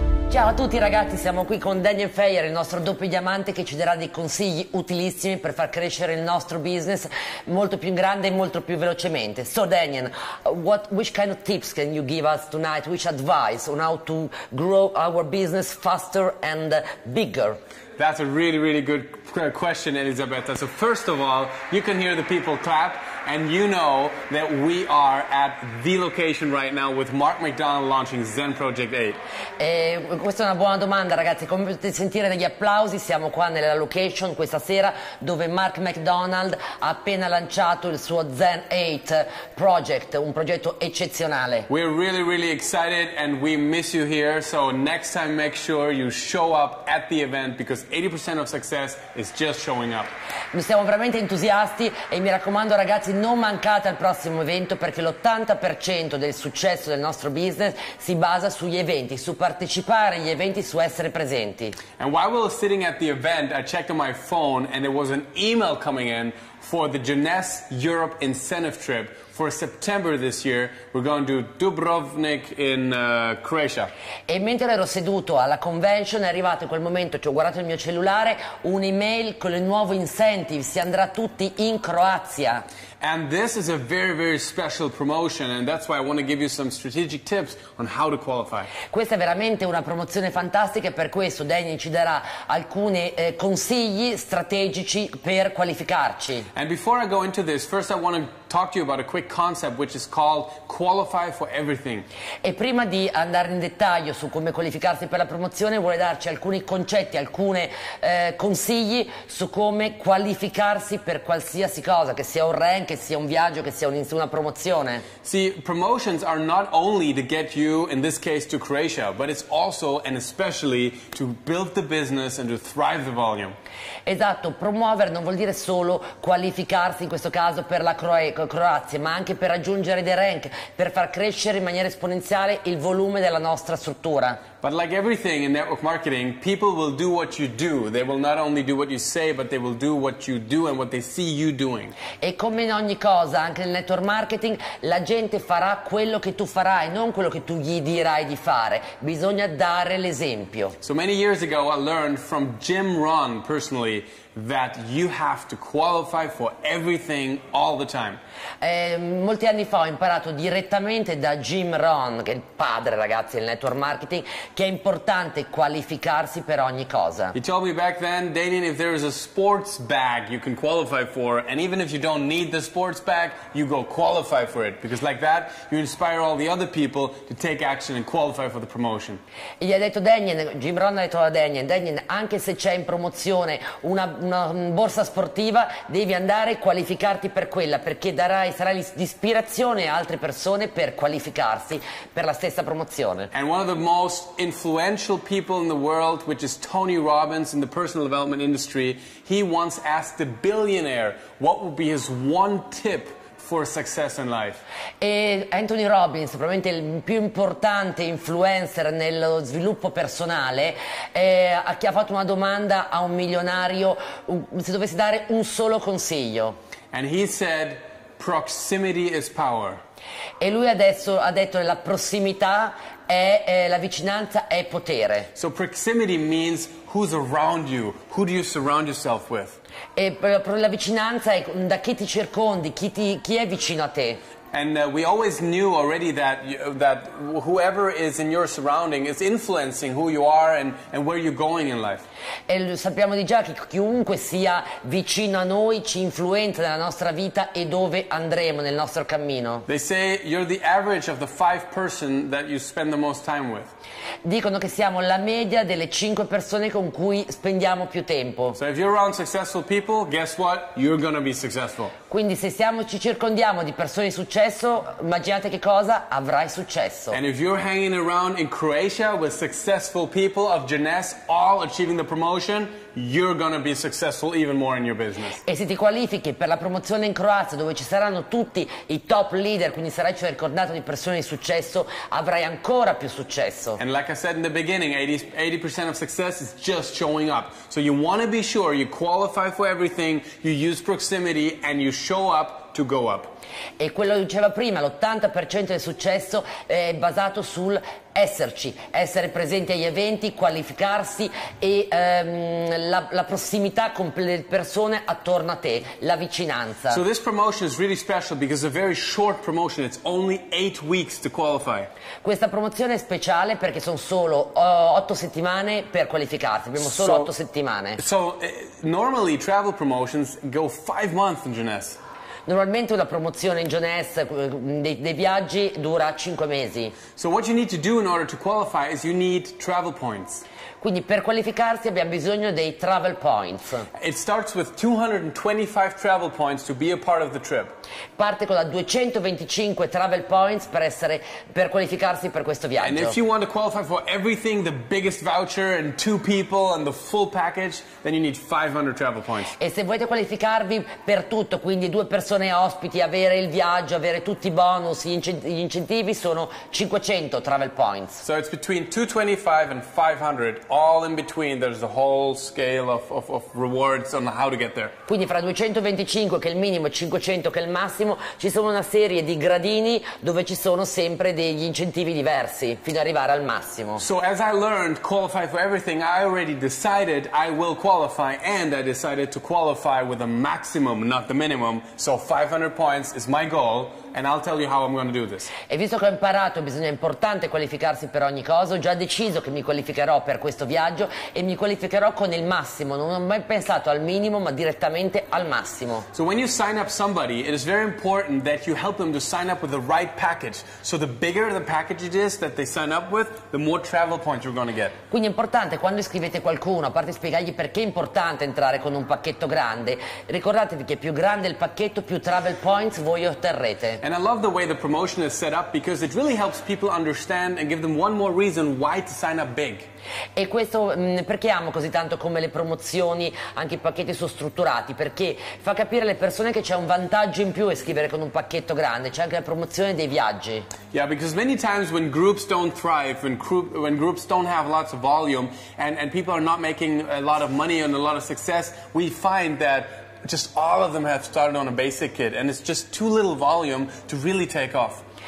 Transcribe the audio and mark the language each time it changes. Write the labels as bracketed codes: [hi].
[it] Ciao a tutti ragazzi, siamo qui con Daniel Feyer, il nostro doppio diamante, che ci darà dei consigli utilissimi per far crescere il nostro business molto più in grande e molto più velocemente. [en] So Daniel, which kind of tips can you give us tonight? Which advice on how to grow our business faster and bigger? That's a really, really good question, Elisabetta. So first of all, you can hear the people clap, and you know that we are at the location right now with Mark McDonald launching Zen Project 8. [it] Questa è una buona domanda, ragazzi. Come potete sentire negli applausi, siamo qua nella location questa sera dove Mark McDonald ha appena lanciato il suo Zen 8 Project, un progetto eccezionale. [en] We're really, really excited, and we miss you here. So next time, make sure you show up at the event, because 80% of success is just showing up. [it] Noi siamo veramente entusiasti e mi raccomando ragazzi, non mancate al prossimo evento, perché l'80% del successo del nostro business si basa sugli eventi, su partecipare agli eventi, su essere presenti. [en] And while we were sitting at the event, I checked on my phone and there was an email coming in for the Jeunesse Europe incentive trip for September this year. We're going to Dubrovnik in Croatia. [it] E mentre ero seduto alla convention è arrivato in quel momento, ci ho guardato il mio cellulare, un'email con il nuovo incentive, si andrà tutti in Croazia. [en] And this is a very, very special promotion, and that's why I want to give you some strategic tips on how to qualify. [it] Questa è veramente una promozione fantastica, e per questo Daniel ci darà alcuni consigli strategici per qualificarci. [en] And before I go into this, first I want to talk to you about a quick concept which is called qualify for everything. [it] E prima di andare in dettaglio su come qualificarsi per la promozione, vuole darci alcuni concetti, alcuni consigli su come qualificarsi per qualsiasi cosa, che sia un rank, che sia un viaggio, che sia una promozione. [en] See, promotions are not only to get you, in this case, to Croatia, but it's also and especially to build the business and to thrive the volume. [it] Esatto, promuovere non vuol dire solo qualificarsi in questo caso per la Croazia, ma anche per raggiungere dei rank, per far crescere in maniera esponenziale il volume della nostra struttura. [en] But like everything in network marketing, people will do what you do. They will not only do what you say, but they will do what you do and what they see you doing. [it] E come in ogni cosa, anche nel network marketing, la gente farà quello che tu farai, non quello che tu gli dirai di fare. Bisogna dare l'esempio. [en] So many years ago I learned from Jim Rohn personally that you have to qualify for everything all the time. [it] Molti anni fa ho imparato direttamente da Jim Rohn, che è il padre, ragazzi, del network marketing, che è importante qualificarsi per ogni cosa. [en] He told me back then, Daniel, if there is a sports bag you can qualify for, and even if you don't need the sports bag, you go qualify for it, because like that you inspire all the other people to take action and qualify for the promotion. [it] E gli ha detto Jim Rohn ha detto a Daniel, anche se c'è in promozione una borsa sportiva, devi andare e qualificarti per quella, perché sarai l'ispirazione a altre persone per qualificarsi per la stessa promozione. [en] And one of the most influential people in the world, which is Tony Robbins in the personal development industry, he once asked the billionaire what would be his one tip for success in life. [it] E Anthony Robbins, probabilmente il più importante influencer nello sviluppo personale, ha fatto una domanda a un milionario se dovesse dare un solo consiglio. [en] And he said, proximity is power. [it] E lui adesso ha detto che la prossimità è la vicinanza è potere. [en] So proximity means who's around you, who do you surround yourself with? [it] E la vicinanza è da chi ti circondi, chi è vicino a te. [en] And we always knew already that that whoever is in your surrounding is influencing who you are and where you're going in life. [it] E sappiamo di già che chiunque sia vicino a noi ci influenza nella nostra vita e dove andremo nel nostro cammino. [en] They say you're the average of the five person that you spend the most time with. [it] Dicono che siamo la media delle cinque persone con cui spendiamo più tempo. [en] So if you're around successful people, guess what? You're gonna be successful. [it] Quindi se ci circondiamo di persone di successo, immaginate che cosa? Avrai successo. [en] And if you're hanging around in Croatia with successful people of Jeunesse, all achieving the promotion, you're gonna be successful even more in your business. [it] E se ti qualifichi per la promozione in Croazia, dove ci saranno tutti i top leader, quindi sarai circondato di persone di successo, avrai ancora più successo. [en] And like I said in the beginning, 80% of success is just showing up. So you want to be sure you qualify for everything, you use proximity, and you show up to to go up. [it] E quello che diceva prima, l'80% del successo è basato sul esserci, essere presenti agli eventi, qualificarsi e la prossimità con le persone attorno a te, la vicinanza. [en] So this promotion is really special because it's a very short promotion, it's only 8 weeks to qualify. [it] Questa promozione è speciale perché sono solo 8 settimane per qualificarsi, abbiamo solo 8 settimane. [en] So normally travel promotions go 5 months in jeunesse. [it] Normalmente una promozione in jeunesse dei viaggi dura 5 mesi. [en] So what you need to do in order to qualify is you need travel points. [it] Quindi per qualificarsi abbiamo bisogno dei travel points. [en] It starts with 225 travel points to be a part of the trip. [it] Parte con la 225 travel points per qualificarsi per questo viaggio. [en] And if you want to qualify for everything, the biggest voucher and two people and the full package, then you need 500 travel points. [it] E se volete qualificarvi per tutto, quindi due persone ospiti, avere il viaggio, avere tutti i bonus, gli incentivi, sono 500 travel points. [en] So it's between 225 and 500. All in between, there's a whole scale of rewards on how to get there. [it] Quindi fra 225 che è il minimo e 500 che è il massimo, ci sono una serie di gradini dove ci sono sempre degli incentivi diversi fino ad arrivare al massimo. [en] So as I learned qualify for everything, I already decided I will qualify, and I decided to qualify with a maximum, not the minimum. So 500 points is my goal. And I'll tell you how I'm going to do this. [it] E visto che ho imparato, bisogna importante qualificarsi per ogni cosa, ho già deciso che mi qualificherò per questo viaggio e mi qualificherò con il massimo. Non ho mai pensato al minimo, ma direttamente al massimo. [en] So when you sign up somebody, it is very important that you help them to sign up with the right package. So the bigger the package it is that they sign up with, the more travel points you're going to get. [it] Quindi è importante quando iscrivete qualcuno, a parte spiegargli perché è importante entrare con un pacchetto grande, ricordatevi che più grande il pacchetto, più travel points voi otterrete. [en] And I love the way the promotion is set up because it really helps people understand and give them one more reason why to sign up big. [it] E questo perché amo così tanto come le promozioni, anche i pacchetti sono strutturati, perché fa capire alle persone che c'è un vantaggio in più a scrivere con un pacchetto grande, c'è anche la promozione dei viaggi. [en] Yeah, because many times when groups don't thrive, when groups don't have lots of volume and people are not making a lot of money and a lot of success, we find that just all of them have started on a basic kit and it's just too little volume to really take off.